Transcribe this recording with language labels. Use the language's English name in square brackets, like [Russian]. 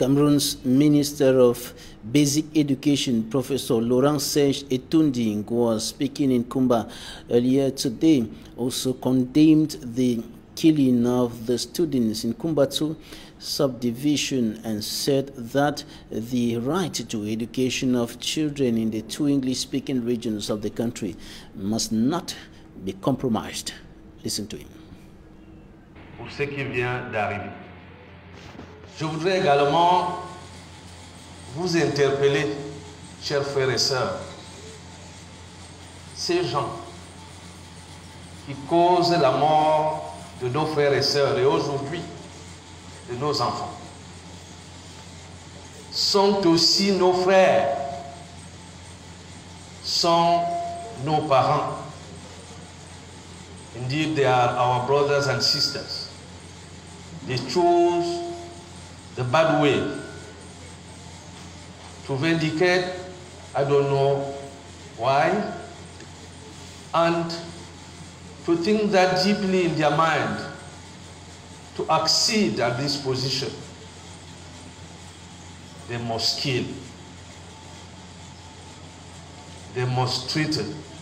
[English] Cameroon's Minister of Basic Education, Professor Laurent Serge Etounding, who was speaking in Kumba earlier today, also condemned the killing of the students in Kumba 2 subdivision and said that the right to education of children in the two English-speaking regions of the country must not be compromised. Listen to him. [French] Pour ce qui vient d'arriver, je voudrais également vous interpeller, chers frères et sœurs, ces gens qui causent la mort de nos frères et sœurs et aujourd'hui de nos enfants, sont aussi nos frères, sont nos parents. [English] Indeed, they are our brothers and sisters. They chose the bad way to vindicate, I don't know why, and to think that deeply in their mind to accede at this position, they must kill, they must treat it.